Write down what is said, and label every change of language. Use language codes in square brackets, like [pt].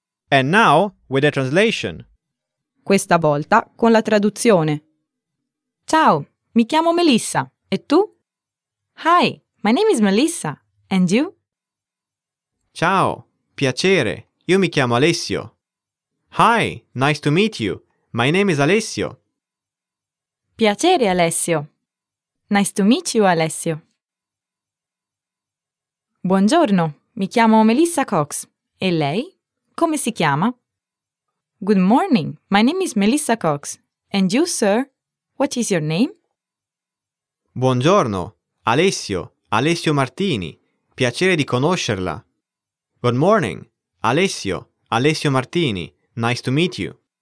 [en] And now with the translation. [it] Questa volta con la traduzione. Ciao, mi chiamo Melissa. E tu? [en] Hi, my name is Melissa. And you? [it] Ciao, piacere. Io mi chiamo Alessio. [en] Hi, nice to meet you. My name is Alessio. [it] Piacere, Alessio. [en] Nice to meet you, Alessio. [it] Buongiorno, mi chiamo Melissa Cox. E lei? Come si chiama? [en] Good morning, my name is Melissa Cox. And you, sir? What is your name? [it] Buongiorno, Alessio, Alessio Martini. Piacere di conoscerla. [en] Good morning, Alessio, Alessio Martini. Nice to meet you.